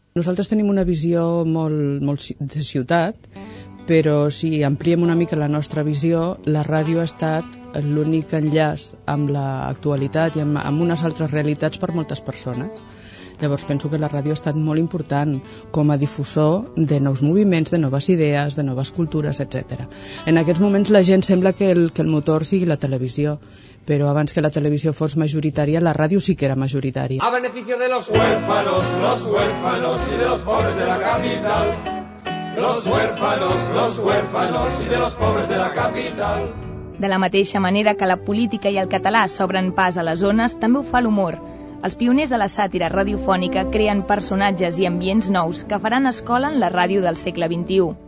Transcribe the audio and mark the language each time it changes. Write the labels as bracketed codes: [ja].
[ca] Nosaltres tenim una visió molt de ciutat, però si ampliem una mica la nostra visió, la ràdio ha estat l'únic enllaç amb l'actualitat i amb unes altres realitats per moltes persones. Llavors penso que la ràdio ha estat molt important com a difusor de nous moviments, de noves idees, de noves cultures, etc. En aquests moments la gent sembla que el motor sigui la televisió, però abans que la televisió fos majoritària, la ràdio sí que era majoritària. [es] A beneficio de los huérfanos y de los pobres de la capital. Los huérfanos y de los pobres de la capital. [ca] De la mateixa manera que la política i el català s'obren pas a les zones, també ho fa l'humor. Els pioners de la sàtira radiofònica creen personatges i ambients nous que faran escola en la ràdio del segle XXI.